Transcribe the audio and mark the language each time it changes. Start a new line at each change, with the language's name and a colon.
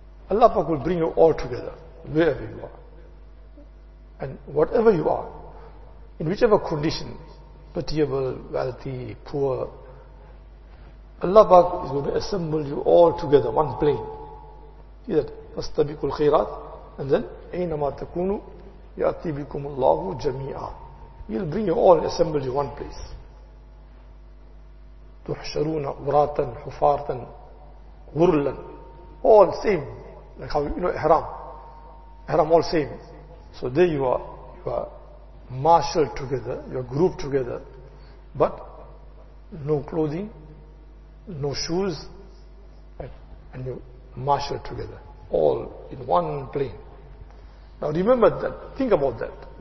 English: Allah Pak will bring you all together, wherever you are. And whatever you are, in whichever condition, pitiable, wealthy, poor, Allah Pak is going to assemble you all together, one plane. See that?
Arabic: فَاسْتَبِقُوا الْخَيْرَاتِ.
English: And then,
Arabic: أَيْنَمَا تَكُونُوا يَأْتِي بِكُمُ اللَّهُ جَمِيعًا.
English: He'll bring you all and assemble you one place.
Arabic: تُحْشَرُونَ عُرَاتًا حُفَارْتًا غُرْلًا.
English: All same. Like how, you know, Ihram. Ihram all same. So there you are marshalled together, you are grouped together, but no clothing, no shoes, and you marshalled together, all in one plane. Now remember that, think about that,